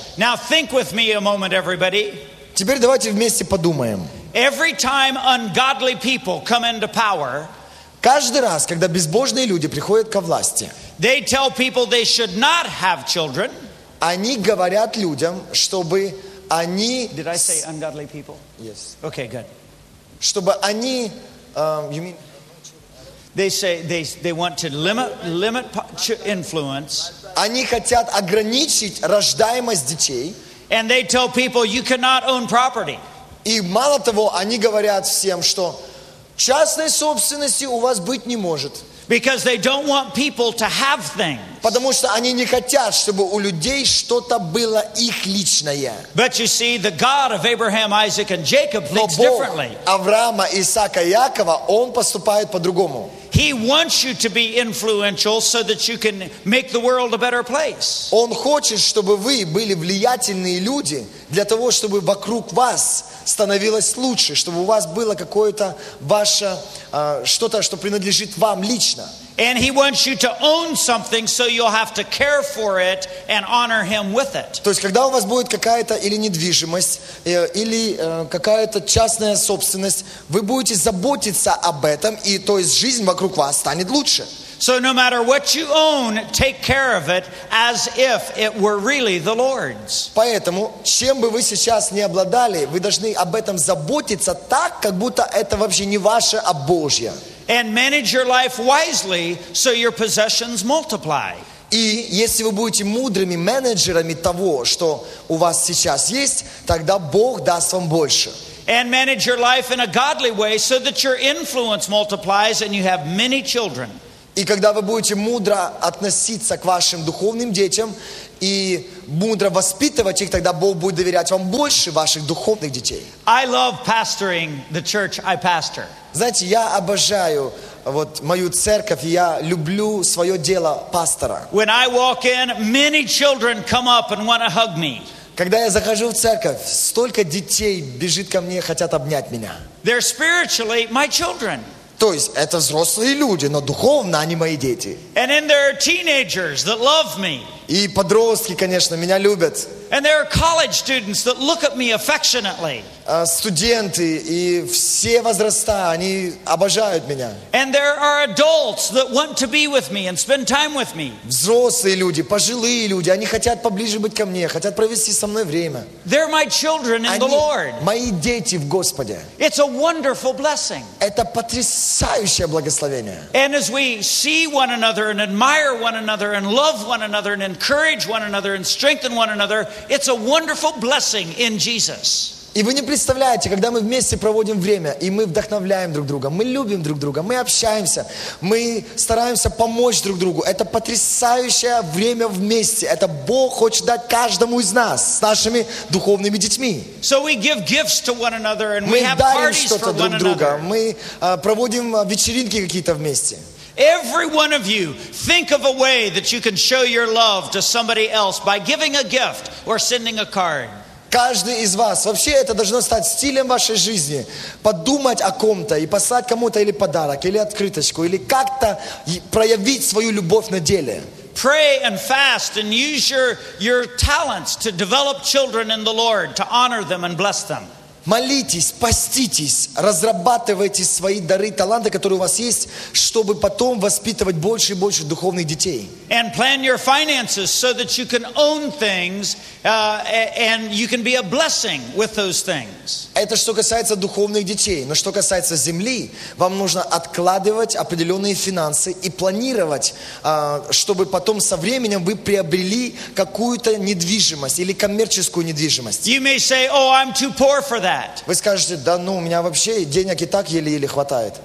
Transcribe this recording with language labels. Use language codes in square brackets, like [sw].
[en] Now think with me a moment, everybody. [ru] Теперь давайте вместе подумаем. [en] Every time ungodly people come into power, [ru] каждый раз, когда безбожные люди приходят ко власти, [en] they tell people they should not have children. [ru] Они говорят людям, чтобы они, [en] did I say ungodly people? Yes. Okay, good. [ru] Чтобы они, [en] you mean? They say they want to limit influence. [ru] Они хотят ограничить рождаемость детей. [en] And they tell people you cannot own property. [ru] И мало того, они говорят всем, что частной собственности у вас быть не может. [en] Because they don't want people to have things. [ru] Потому что они не хотят, чтобы у людей что-то было их личное. [en] But you see, the God of Abraham, Isaac, and Jacob thinks differently. [ru] Авраама, Исаака, Якова, он поступает по-другому. [en] He wants you to be influential so that you can make the world a better place. [ru] Он хочет, чтобы вы были влиятельные люди для того, чтобы вокруг вас становилось лучше, чтобы у вас было какое-то ваше что-то, что принадлежит вам лично. [en] And he wants you to own something so you'll have to care for it and honor him with it. [ru] То есть когда у вас будет какая-то или недвижимость, или какая-то частная собственность, вы будете заботиться об этом, и то есть жизнь вокруг вас станет лучше. [en] So no matter what you own, take care of it as if it were really the Lord's. [ru] Поэтому, чем бы вы сейчас не обладали, вы должны об этом заботиться так, как будто это вообще не ваше, а Божье. [en] And manage your life wisely so your possessions multiply. [ru] И если вы будете мудрыми менеджерами того, что у вас сейчас есть, тогда Бог даст вам больше. [en] And manage your life in a godly way so that your influence multiplies and you have many children. [ru] И когда вы будете мудро относиться к вашим духовным детям и мудро воспитывать их, тогда Бог будет доверять вам больше ваших духовных детей. [en] I love pastoring the church I pastor. [ru] Знаете, я обожаю вот мою церковь, и я люблю свое дело пастора. [en] When I walk in, many children come up and want to hug me. [ru] Когда я захожу в церковь, столько детей бежит ко мне, хотят обнять меня. [en] They're spiritually my children. [ru] То есть это взрослые люди, но духовно они мои дети. [en] And then there are teenagers that love me. [ru] И подростки, конечно, меня любят. [en] And there are college students that look at me affectionately. [ru] Студенты и все возраста, они обожают меня. [en] And there are adults that want to be with me and spend time with me. [ru] Взрослые люди, пожилые люди, они хотят поближе быть ко мне, хотят провести со мной время. [en] They're my children in the Lord. [ru] Мои дети в Господе. [en] It's a wonderful blessing. [ru] Это потрясающее благословение. [en] And as we see one another and admire one another and love one another and encourage one another and strengthen one another, it's a wonderful blessing in Jesus. [ru] И вы не представляете, когда мы вместе проводим время, и мы вдохновляем друг друга, мы любим друг друга, мы общаемся, мы стараемся помочь друг другу. Это потрясающее время вместе. Это Бог хочет дать каждому из нас с нашими духовными детьми. [en] So we give gifts to one another and [ru] мы [en] we have [ru] дарим [en] parties [ru] что-то [en] for [ru] друг [en] one [ru] друга. [en] Another. [ru] Мы проводим вечеринки какие-то вместе. [en] Every one of you, think of a way that you can show your love to somebody else by giving a gift or sending a card. [ru] Каждый из вас, вообще это должно стать стилем вашей жизни, подумать о ком-то и послать кому-то или подарок, или открыточку, или как-то проявить свою любовь на деле. [en] Pray and fast and use your talents to develop children in the Lord, to honor them and bless them. [ru] Молитесь, поститесь, разрабатывайте свои дары, таланты, которые у вас есть, чтобы потом воспитывать больше и больше духовных детей. [en] And plan your finances so that you can own things and you can be a blessing with those things. [ru] Это что касается духовных детей, но что касается земли, вам нужно откладывать определенные финансы и планировать, чтобы потом со временем вы приобрели какую-то недвижимость или коммерческую недвижимость. [en] You may say, "Oh, I'm too poor for that." [ru] Вы скажете: "Да ну, у меня вообще денег и так еле-еле хватает."